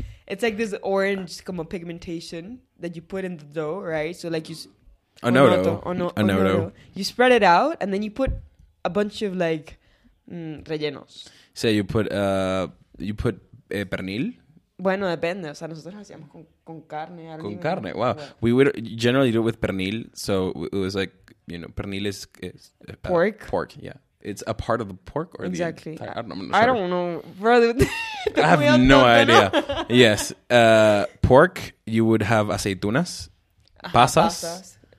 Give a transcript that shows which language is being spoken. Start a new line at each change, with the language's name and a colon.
English: It's like this orange como pigmentation that you put in the dough, right? So like you...
Spanish: Onoto. Onoto.
English: You spread it out and then you put a bunch of like rellenos. Say so you put pernil?
Spanish: Bueno, depende. O sea, nosotros hacíamos con carne. Con carne,
English: wow. We would generally do it with pernil. So it was like, you know, pernil is... pork? Pork, yeah. It's a part of the pork or exactly. the... Exactly. I don't know. Brother, I have no idea. Yes. Pork, you would have aceitunas. Pasas.